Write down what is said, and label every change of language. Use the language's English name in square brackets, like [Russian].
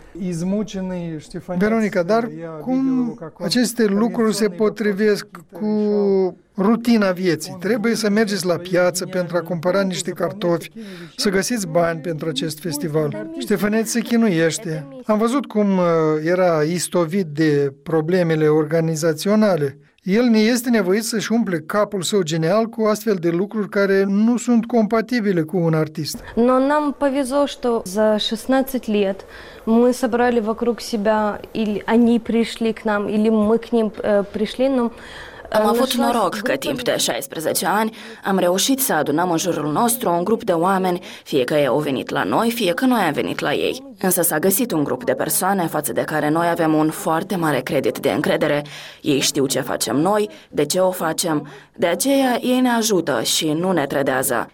[Russian] Измученный Штефан. [Romanian] Veronica, dar cum aceste lucruri se potrivesc cu rutina vieții? Trebuie să mergeți la piață pentru a cumpăra niște cartofi, să găsiți bani pentru acest festival. Ștefăneț se chinuiește. Am văzut cum era istovit de problemele organizaționale. El ne este nevoit să-și umple capul său genial cu astfel de lucruri care nu sunt compatibile cu un artist. [Russian] Но нам повезло, что за 16 лет мы собрали вокруг себя, или они пришли к нам, или мы к ним пришли, но [Romanian] am avut noroc că timp de 16 ani am reușit să adunăm în jurul nostru un grup de oameni, fie că ei au venit la noi, fie că noi am venit la ei. Însă s-a găsit un grup de persoane față de care noi avem un foarte mare credit de încredere. Ei știu ce facem noi, de ce o facem. De aceea ei ne ajută și nu ne trădează.